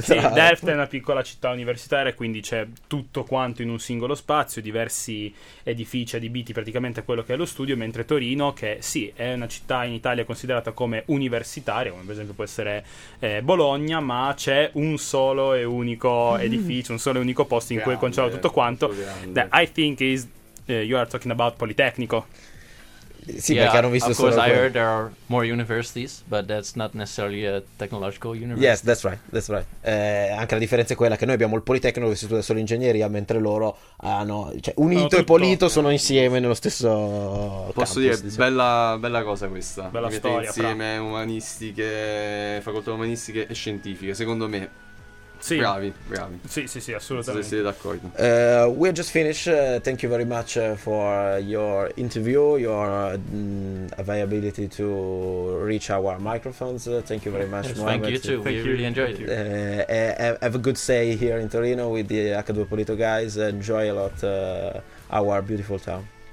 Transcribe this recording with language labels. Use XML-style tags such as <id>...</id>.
<it>Sì, Delft è una piccola città universitaria, quindi c'è tutto quanto in un singolo spazio, diversi edifici adibiti praticamente a quello che è lo studio. Mentre Torino, che sì, è una città in Italia considerata come universitaria, come per esempio può essere Bologna, ma c'è un solo e unico edificio, un solo e unico posto in cui è concentrato tutto quanto.</it> <en>I think is you are talking about Politecnico.</en> <it>Sì, yeah, perché hanno visto</it> <en>of course, I heard there are more universities, but that's not necessarily a technological university. Yes, that's right, that's right.</en> <it>Anche la differenza è quella che noi abbiamo il Politecnico che si studia solo ingegneria, mentre loro hanno Unito e Polito sono insieme nello stesso posso dire, diciamo. bella cosa questa. Bella Mette storia. Insieme fra umanistiche, facoltà umanistiche e scientifiche, secondo me. Sì. Bravi. Sì, assolutamente. Siete d'accordo.</it> <en>We just finished. Thank you very much for your interview, your availability to reach our microphones. Thank you very much. Yes, thank you too. Thank you. Really enjoyed it. Have a good stay here in Torino with the H2Polito guys. Enjoy a lot our beautiful town.</en>